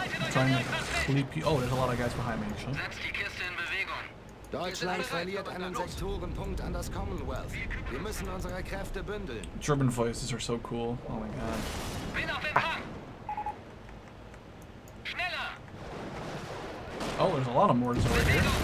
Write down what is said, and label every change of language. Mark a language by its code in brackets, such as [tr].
[en] Trying to sleep you. Oh, there's a lot of guys behind me, actually. [de] Deutschland verliert einen Sektorenpunkt an das Commonwealth. Wir müssen unsere Kräfte bündeln. [en] German voices are so cool. Oh my god. [de] Bin auf Empfang. Schneller. [en] Oh, there's a lot of mortars over here.